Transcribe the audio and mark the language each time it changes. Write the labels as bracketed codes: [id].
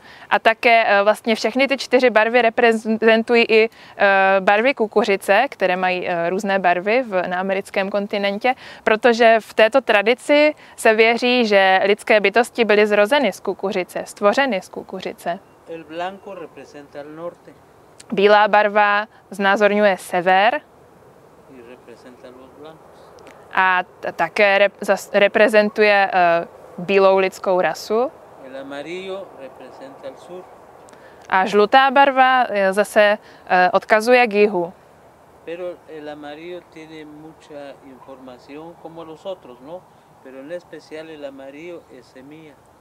[cs] A také vlastně všechny ty čtyři barvy reprezentují i barvy kukuřice, které mají různé barvy na americkém kontinentě, protože v této tradici se věří, že lidské bytosti byly zrozeny z kukuřice, stvořeny z kukuřice. [es] El blanco representa el norte. [cs] Bílá barva znázorňuje sever. [es] Y representa los blancos. [cs] A také reprezentuje bílou lidskou rasu. [es] El amarillo representa el sur. [cs] A žlutá barva zase odkazuje k jihu. [es] Pero el amarillo tiene mucha información como los otros, ¿no? Pero en especial el amarillo es semilla.